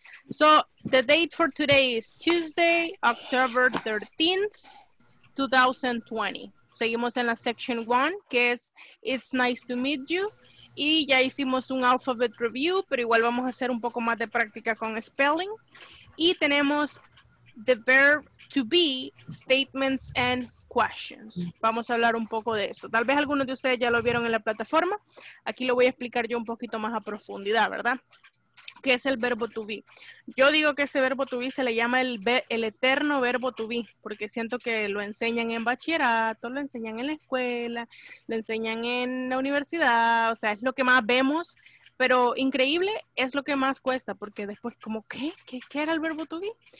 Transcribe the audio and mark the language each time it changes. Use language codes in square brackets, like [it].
[en] So the date for today is Tuesday, October 13th, 2020. [es] Seguimos en la section 1, que es [en] It's nice to meet you. [es] Y ya hicimos un [en] alphabet review, [es] pero igual vamos a hacer un poco más de práctica con spelling. Y tenemos [en] the verb to be, statements and questions. [es] Vamos a hablar un poco de eso. Tal vez algunos de ustedes ya lo vieron en la plataforma. Aquí lo voy a explicar yo un poquito más a profundidad, ¿verdad? ¿Qué es el verbo to be? Yo digo que ese verbo to be se le llama el eterno verbo to be, porque siento que lo enseñan en bachillerato, lo enseñan en la escuela, lo enseñan en la universidad, o sea, es lo que más vemos, pero increíble, es lo que más cuesta, porque después como, ¿qué era el verbo to be?